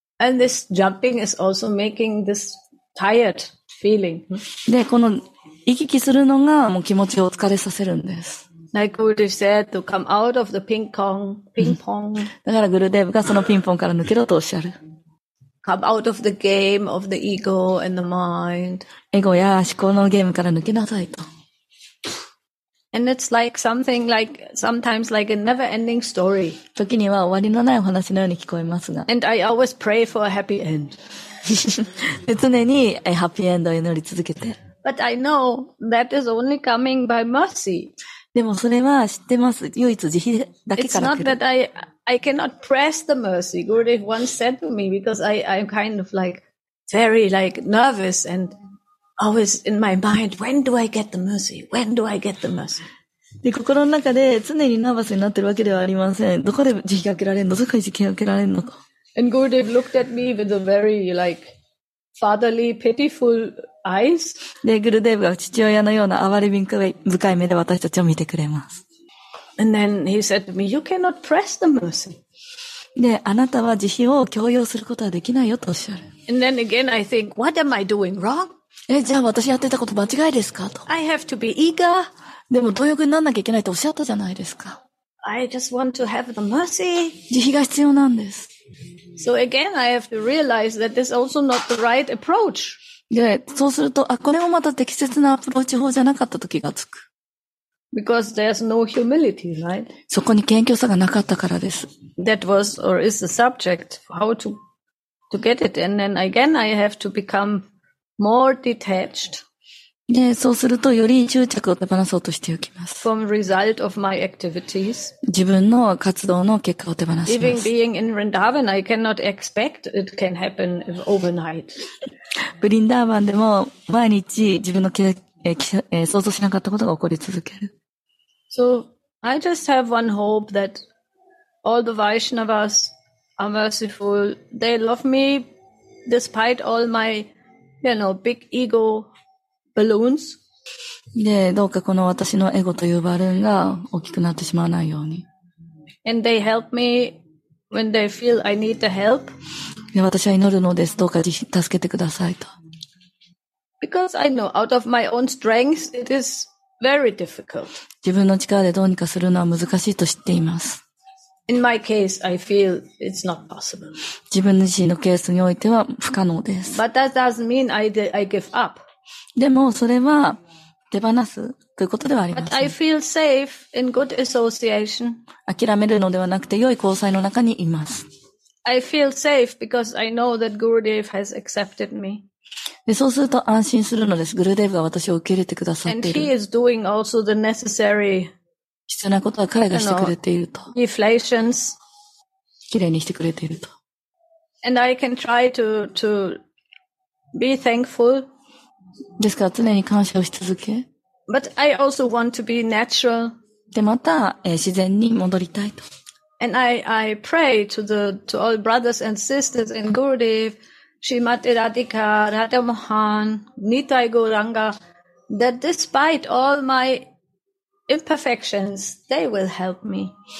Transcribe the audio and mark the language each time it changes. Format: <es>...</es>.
<en>And this jumping is also making this tired feeling.</en> <ja>で、この、行き来するのがもう気持ちを疲れさせるんです。</ja> <en>Like Gurudev said, to come out of the ping pong, ping pong.</en> <ja>だからグルデーブがそのピンポンから抜けろとおっしゃる。</ja> <en>Come out of the game of the ego and the mind.</en> <ja>エゴや思考のゲームから抜けなさいと。</ja> <en>And it's like something like sometimes like a never-ending story.</en> <ja>時には終わりのないお話のように聞こえますが。</ja> <en>And I always pray for a happy end.</en> <ja>常にハッピーエンドを祈り続けて。</ja> <en>But I know that is only coming by mercy.</en> <ja>でもそれは知ってます。唯一慈悲だけから来る。</ja> <en>It's not that I cannot press the mercy. Gurudev once said to me because I'm kind of like very like nervous and always in my mind, when do I get the mercy? When do I get the mercy?</en> <ja>で、心の中で常にナーバスになってるわけではありません。どこで慈悲かけられるの？どこで慈悲かけられるのと。</ja> <en>And Gurudev looked at me with a very like fatherly, pitiful eyes.</en> <ja>で、グルデーブが父親のような哀れみ深い目で私たちを見てくれます。</ja> <en>And then he said to me, you cannot press the mercy.</en> <ja>で、あなたは慈悲を強要することはできないよとおっしゃる。</ja> <en>And then again, I think, what am I doing wrong?</en> <ja>え、じゃあ私やってたこと間違いですかと。</ja> <en>I have to be eager.</en> <ja>でも、貪欲にならなきゃいけないとおっしゃったじゃないですか。</ja> <en>I just want to have the mercy.</en> <ja>慈悲が必要なんです。</ja> <en>So again, I have to realize that this is also not the right approach.</en> <ja>で、そうすると、あ、これもまた適切なアプローチ法じゃなかったと気がつく。</ja> <en>Because there's no humility, right?</en> <ja>そこに謙虚さがなかったからです。</ja> <en>That was or is the subject, how to get it. And then again, I have to become more detached.</en> <ja>で、そうすると、より執着を手放そうとしておきます。</ja> <en>From result of my activities.</en> <ja>自分の活動の結果を手放します。</ja> <en>Even being in Vrindavan, I cannot expect it can happen overnight.</en> <ja>ブリンダーバンでも毎日自分の経験想像しなかったことが起こり続ける。</ja> <en>So, I just have one hope that all the Vaishnavas are merciful. They love me despite all my, you know, big ego balloons.</en> <ja>で、どうかこの私のエゴというバルーンが大きくなってしまわないように。</ja> <en>And they help me when they feel I need the help.</en> <ja>で、私は祈るのです。どうか助けてくださいと。</ja> <en>Because I know out of my own strength it is very difficult.</en> <ja>自分の力でどうにかするのは難しいと知っています。</ja> <en>In my case, I feel it's not possible.</en> <ja>自分自身のケースにおいては不可能です。</ja> <en>But that doesn't mean I give up.</en> <ja>でもそれは手放すということではありません。</ja> <en>But I feel safe in good association.</en> <ja>諦めるのではなくて良い交際の中にいます。</ja> <en>I feel safe because I know that Gurudev has accepted me.</en> <ja>で、そうすると安心するのです。グルデーブが私を受け入れてくださっている。</ja> <en>And he is doing also the necessary,</en> <ja>必要なことは彼がしてくれていると。</ja> <en>Deflations.</en> <ja>きれいにしてくれていると。</ja> <en>And I can try to be thankful.</en> <ja>ですから常に感謝をし続け。</ja> <en>But I also want to be natural.</en> <ja>で、また、自然に戻りたいと。</ja> <en>And I pray to all brothers and sisters in Gurudev. Shrimati Radhika, Radha Mohan, Nitai Gauranga, that despite all my imperfections, they will help me.</en>